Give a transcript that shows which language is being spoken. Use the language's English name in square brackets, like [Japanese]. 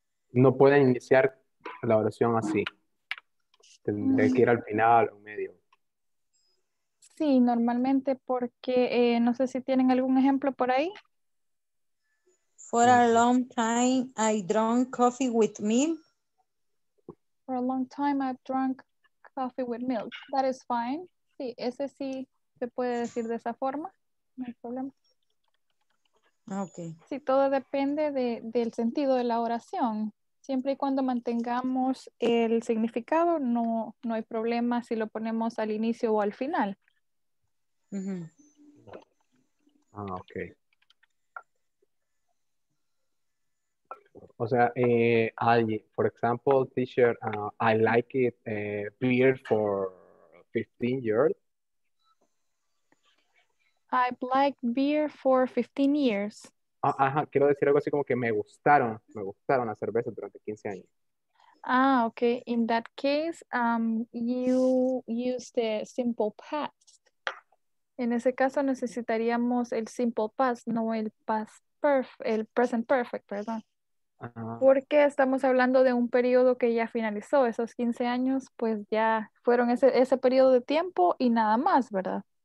[Spanish] No puede iniciar la oración así. Tendré que ir al final o medio. sí, normalmente, porque no sé si tienen algún ejemplo por ahí. [English] For a long time, I drank coffee with milk. For a long time, I've drunk coffee with milk. That is fine. [Spanish] Sí, ese sí se puede decir de esa forma. No hay problema. Okay. Sí, todo depende del sentido de la oración. Siempre y cuando mantengamos el significado, no hay problema si lo ponemos al inicio o al final. Mm-hmm. Ah, okay. O sea, [English] for example, teacher, I like it beer for 15 years. I've liked beer for 15 years. [Spanish] Ajá, quiero decir algo así como que me gustaron las cervezas durante 15 años. Ah, okay. [English] In that case, you use the simple past. [Spanish] En ese caso necesitaríamos el simple past, no el past perfect, el present perfect, perdón. Porque estamos hablando de un periodo que ya finalizó, esos 15 años pues ya fueron ese periodo de tiempo y nada más, ¿verdad?